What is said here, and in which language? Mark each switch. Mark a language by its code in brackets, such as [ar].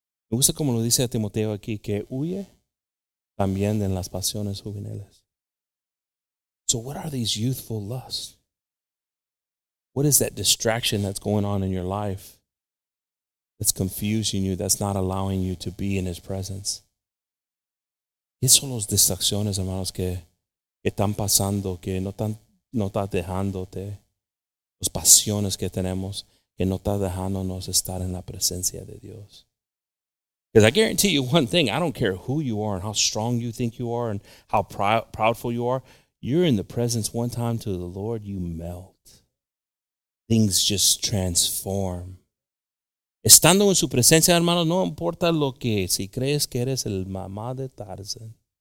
[es] Me gusta como lo dice a Timoteo aquí, que huye también de las pasiones juveniles. [en] So what are these youthful lusts? What is that distraction that's going on in your life that's confusing you, that's not allowing you to be in his presence? [es] ¿Qué son las distracciones, hermanos, que están pasando, que no están dejándote? Las pasiones que tenemos que no está dejándonos estar en la presencia de Dios. [en] Because I guarantee you one thing, I don't care who you are and how strong you think you are and how proudful you are, you're in the presence one time to the Lord, you melt. Things just transform. [es] Estando en su presencia, hermano, no importa lo que, si crees que eres el mamá de Tarzan.